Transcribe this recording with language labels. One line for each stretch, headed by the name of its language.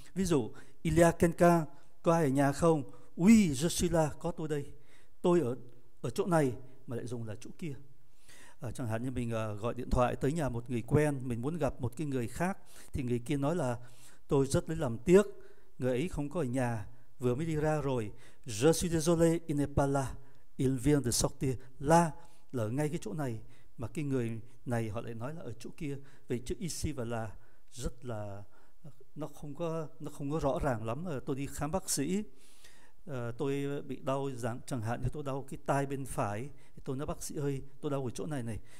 Vietnamese: Ví dụ,
French: il y a quelqu'un,
Vietnamese: có ai ở nhà không?
French: Oui, je suis là,
Vietnamese: có tôi đây. Tôi ở chỗ này mà lại dùng là chỗ kia. Chẳng hạn như mình gọi điện thoại tới nhà một người quen, mình muốn gặp một cái người khác, thì người kia nói là tôi rất lấy làm tiếc, người ấy không có ở nhà, vừa mới đi ra rồi.
French: Je suis désolé, il n'est pas là, il vient de sortir.
Vietnamese: Là ở ngay cái chỗ này, mà cái người này họ lại nói là ở chỗ kia. Vậy chữ ici và là rất là, nó không có rõ ràng lắm. Tôi đi khám bác sĩ, tôi bị đau, chẳng hạn như tôi đau cái tai bên phải, tôi nói bác sĩ ơi, tôi đau ở chỗ này này.